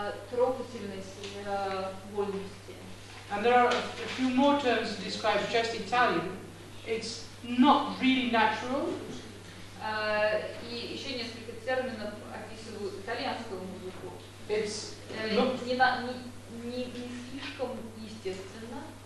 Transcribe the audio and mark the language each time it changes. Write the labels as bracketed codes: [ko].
[ru] Трогательность, вольности. [en] And there are a few more terms to describe just Italian. It's not really natural. [ru] И еще несколько терминов описывают итальянскую музыку. [en] It's [ru] не слишком естественно.